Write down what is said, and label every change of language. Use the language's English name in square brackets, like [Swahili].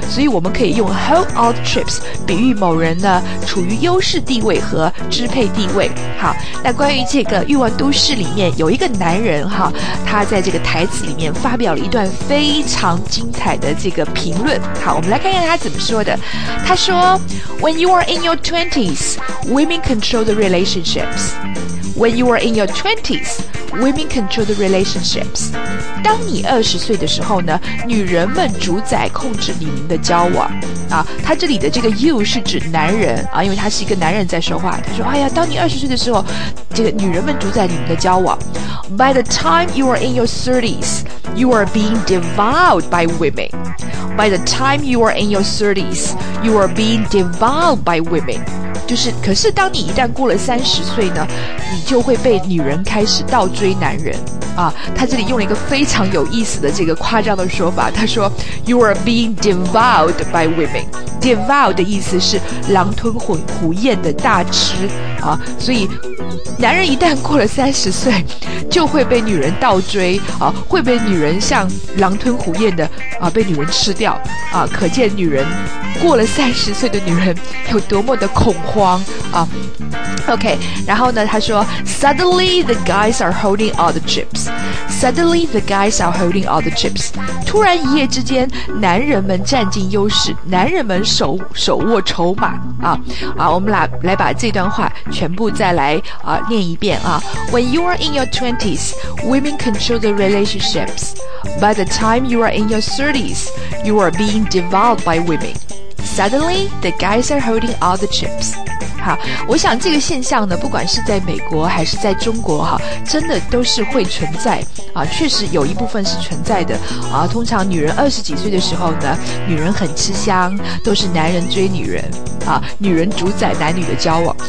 [Chinese] 所以我们可以用 [English] hold all chips [Chinese] 比喻某人呢处于优势地位和支配地位。好，那关于这个欲望都市里面有一个男人哈，他在这个台词里面发表了一段非常精彩的这个评论。好，我们来看看他怎么说的。他说 [English] When you are in your 20s, women control the relationships. When you are in your 20s, women control the relationships. [Chinese] 当你二十岁的时候呢，女人们主宰控制你们的交往。啊，他这里的这个 you 是指男人啊，因为他是一个男人在说话。他说，哎呀，当你二十岁的时候，这个女人们主宰你们的交往。 [English] By the time you are in your 30s, you are being devoured by women. By the time you are in your 30s, you are being devoured by women. [Chinese] 就是，可是当你一旦过了30岁呢，你就会被女人开始倒追男人。啊，他这里用了一个非常有意思的这个夸张的说法，他说 [English] You are being devoured by women. [Chinese] Devoured 的意思是狼吞虎咽的大吃。啊，所以男人一旦过了30岁就会被女人倒追啊，会被女人像狼吞虎咽的啊，被女人吃掉啊。可见女人过了30岁的女人有多么的恐慌啊。 [English] OK， [Chinese] 然后呢他说 [English] Suddenly the guys are holding all the chips. Suddenly the guys are holding all the chips. [Chinese] 突然一夜之间男人们占尽优势，男人们 手握筹码啊。啊，我们 来把这段话全部再来啊念一遍啊。 [English] When you are in your 20s, women control the relationships. By the time you are in your 30s, you are being devoured by women. Suddenly the guys are holding all the chips. [Chinese] 好，我想这个现象呢，不管是在美国还是在中国哈，真的都是会存在啊，确实有一部分是存在的啊。通常女人二十几岁的时候呢，女人很吃香，都是男人追女人啊，女人主宰男女的交往。